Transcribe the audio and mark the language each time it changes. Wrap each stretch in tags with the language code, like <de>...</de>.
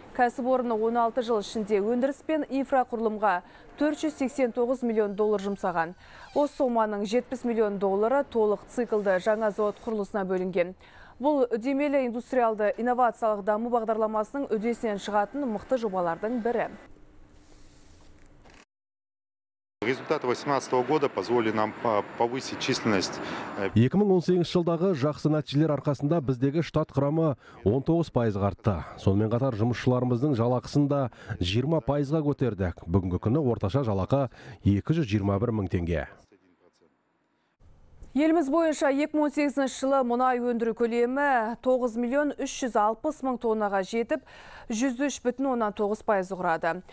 <kk>Кәсіпорны 16 жыл ішінде өндіріс пен инфрақұрылымға 489 миллион доллар жұмсаған. Осы соманың 70 миллион доллары толық циклды жаңа зауыт құрылысына бөлінген. Бұл үдемелі индустриалды инновациялық даму бағдарламасының үдесінен шығатын мықты жобалардың бірі.</kk> <ru>Результат 2018 года позволил нам повысить численность.</ru> <kk>2018 жылдағы жақсы нәтижелер арқасында біздегі штат құрамы 19% артты. Сонымен қатар жұмысшыларымыздың жалақысын да 20% көтердік. Бүгінгі күні орташа жалақы 221 мың теңге. Еліміз бойынша 2018 жылы мұнай өндіру көлемі 9 миллион 360 мың тоннаға жетіп, 103,9% құрады.</kk>